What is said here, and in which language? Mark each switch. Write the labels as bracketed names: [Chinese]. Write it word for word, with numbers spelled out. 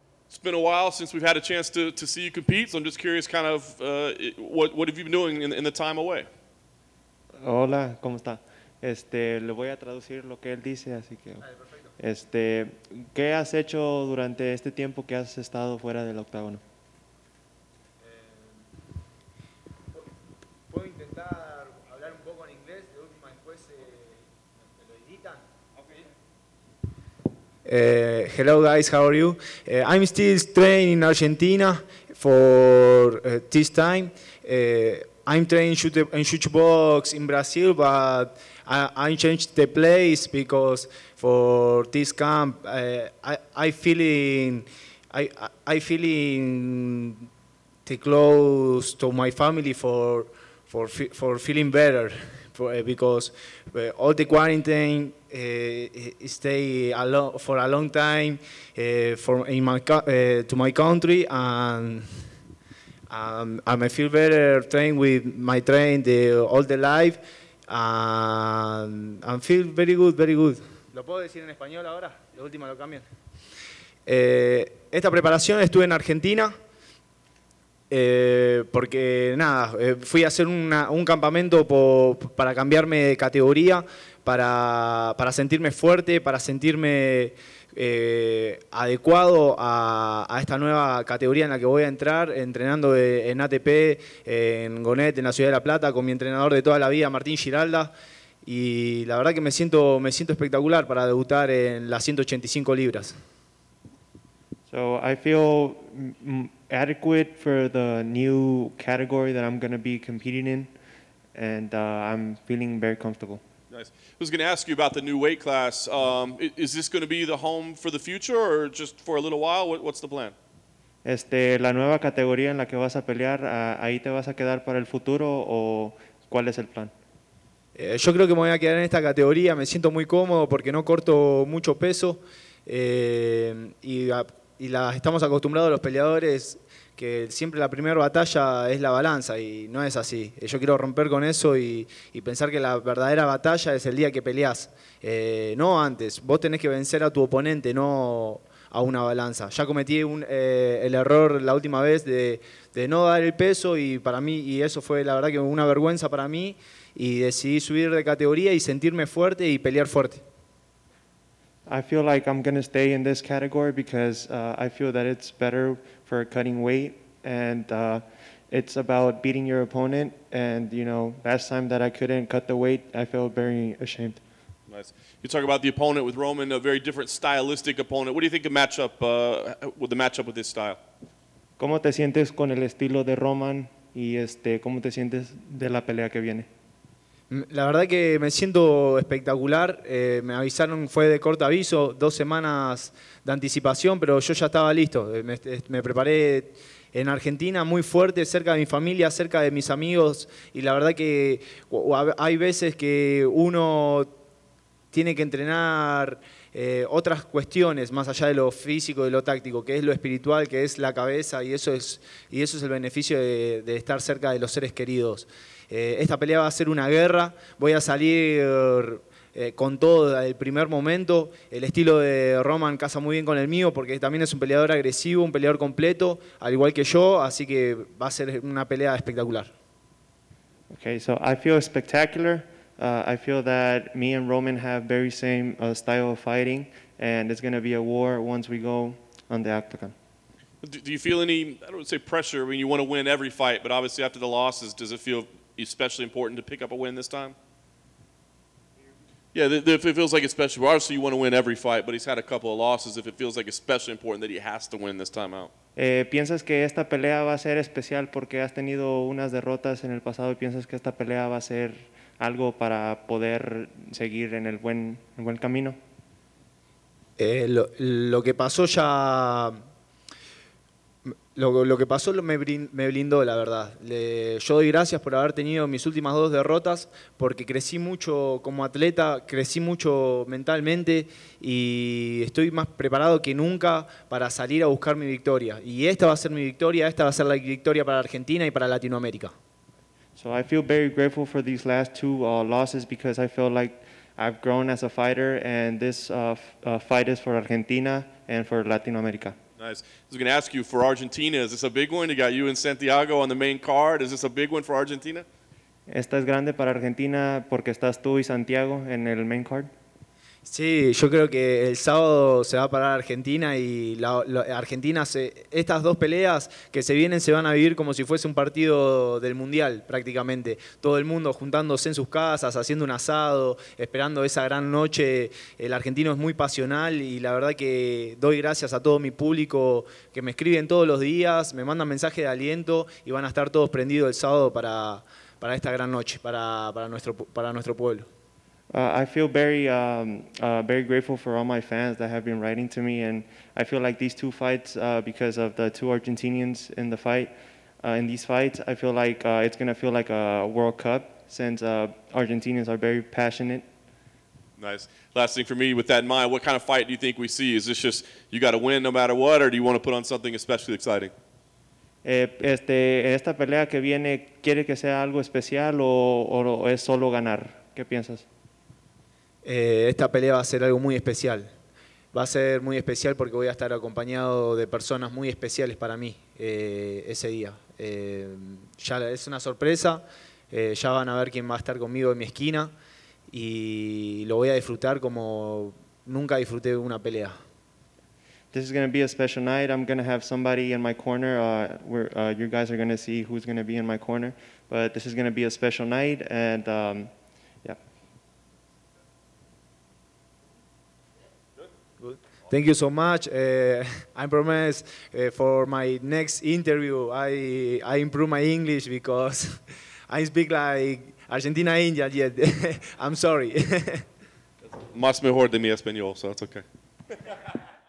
[English] It's been a while since we've had a chance to, to see you compete, so I'm just curious kind of uh, what, what have you been doing in, in the time away? [Spanish] Hola, ¿cómo está? Este, le voy a traducir lo que él dice, así que... Este, ¿qué has hecho durante este tiempo que has estado fuera del octágono? ¿Puedo intentar hablar un poco en inglés? De última después me lo editan. [English] Okay. Uh, hello guys, how are you? Uh, I'm still training in Argentina for uh, this time. Uh, I'm training shoot and shoot box in Brazil, but I, I changed the place because for this camp uh, I I feeling I I feeling too close to my family for for for feeling better for, uh, because uh, all the quarantine uh, stay a lo- for a long time uh, for in my co- uh, to my country and. Um, and I feel better train with my train the, all the life and, and feel very good, very good. [Spanish] ¿Lo puedo decir en español ahora? Lo último lo cambian. Eh, esta preparación estuve en Argentina eh, porque nada, eh, fui a hacer una, un campamento po, para cambiarme de categoría, para, para sentirme fuerte, para sentirme... Eh, adecuado a, a esta nueva categoría en la que voy a entrar, entrenando en A T P, en Gonet, en la Ciudad de La Plata, con mi entrenador de toda la vida, Martín Giralda, y la verdad que me siento, me siento espectacular para debutar en las ciento ochenta y cinco libras. [English] So I feel adequate for the new category that I'm going to be competing in, and uh, I'm feeling very comfortable. Nice. I was going to ask you about the new weight class. Um, is this going to be the home for the future or just for a little while? What, what's the plan? [Spanish] Este, la nueva categoría en la que vas a pelear, uh, ¿ahí te vas a quedar para el futuro o cuál es el plan? Eh, yo creo que me voy a quedar en esta categoría. Me siento muy cómodo porque no corto mucho peso eh, y, a, y la, estamos acostumbrados los peleadores que siempre la primera batalla es la balanza y no es así. Yo quiero romper con eso y, y pensar que la verdadera batalla es el día que peleás, eh, no antes. Vos tenés que vencer a tu oponente, no a una balanza. Ya cometí un, eh, el error la última vez de, de no dar el peso y para mí y eso fue la verdad que una vergüenza para mí y decidí subir de categoría y sentirme fuerte y pelear fuerte. [English] I feel like I'm going to stay in this category because uh, I feel that it's better for cutting weight and uh, it's about beating your opponent and, you know, last time that I couldn't cut the weight, I felt very ashamed. Nice. You talk about the opponent with Roman, a very different stylistic opponent. What do you think of matchup, uh, with the matchup with this style? [Spanish] ¿Cómo te sientes con el estilo de Roman y este, cómo te sientes de la pelea que viene? La verdad que me siento espectacular, eh, me avisaron, fue de corto aviso, dos semanas de anticipación, pero yo ya estaba listo, me, me preparé en Argentina muy fuerte, cerca de mi familia, cerca de mis amigos, y la verdad que hay veces que uno tiene que entrenar eh, otras cuestiones, más allá de lo físico y lo táctico, que es lo espiritual, que es la cabeza, y eso es, y eso es el beneficio de, de estar cerca de los seres queridos. Eh, esta pelea va a ser una guerra, voy a salir eh, con todo el primer momento, el estilo de Roman casa muy bien con el mío porque también es un peleador agresivo, un peleador completo, al igual que yo, así que va a ser una pelea espectacular. [English] Okay, so I feel spectacular. Uh, I feel that me and Roman have very same uh, style of fighting and it's going to be a war once we go on the octagon. Do, do you feel any, I don't want to say pressure, I mean you want to win every fight, but obviously after the losses, does it feel especially important to pick up a win this time? Yeah, th- th- it feels like especially. Obviously, you want to win every fight, but he's had a couple of losses. If it feels like especially important that he has to win this time out. [Spanish] Eh, ¿Piensas que esta pelea va a ser especial porque has tenido unas derrotas en el pasado y piensas que esta pelea va a ser algo para poder seguir en el buen, el buen camino? Eh, lo, lo que pasó ya. Lo, lo que pasó me blindó, la verdad. Le, yo doy gracias por haber tenido mis últimas dos derrotas porque crecí mucho como atleta, crecí mucho mentalmente y estoy más preparado que nunca para salir a buscar mi victoria. Y esta va a ser mi victoria, esta va a ser la victoria para Argentina y para Latinoamérica. [English] So I feel very grateful for these last two uh, losses because I feel like I've grown as a fighter and this uh, f- uh, fight is for Argentina and for Latinoamérica. Nice. I was going to ask you, for Argentina, is this a big one? You got you and Santiago on the main card. Is this a big one for Argentina? [Spanish] Esta es grande para Argentina porque estás tú y Santiago en el main card. Sí, yo creo que el sábado se va a parar Argentina y la, la, Argentina se, estas dos peleas que se vienen se van a vivir como si fuese un partido del Mundial prácticamente. Todo el mundo juntándose en sus casas, haciendo un asado, esperando esa gran noche. El argentino es muy pasional y la verdad que doy gracias a todo mi público que me escriben todos los días, me mandan mensajes de aliento y van a estar todos prendidos el sábado para, para esta gran noche, para, para, nuestro, para nuestro pueblo. [English] Uh, I feel very, um, uh, very grateful for all my fans that have been writing to me, and I feel like these two fights, uh, because of the two Argentinians in the fight, uh, in these fights, I feel like uh, it's gonna feel like a World Cup since uh, Argentinians are very passionate. Nice. Last thing for me, with that in mind, what kind of fight do you think we see? Is this just you got to win no matter what, or do you want to put on something especially exciting? [Spanish] Eh, este, esta pelea que viene, ¿quiere que sea algo especial o, o es solo ganar? ¿Qué piensas? Eh, esta pelea va a ser algo muy especial. Va a ser muy especial porque voy a estar acompañado de personas muy especiales para mí eh, ese día. Eh, ya es una sorpresa, eh, ya van a ver quién va a estar conmigo en mi esquina y lo voy a disfrutar como nunca disfruté una pelea. [English] This is going to be a special night. I'm going to have somebody in my corner. Uh, where, uh, you guys are going to see who's going to be in my corner. But this is going to be a special night and um, thank you so much. Uh, I promise uh, for my next interview, I I improve my English because I speak like Argentina, India. Yet I'm sorry. [Spanish] Más mejor de mi español, [English] so that's okay.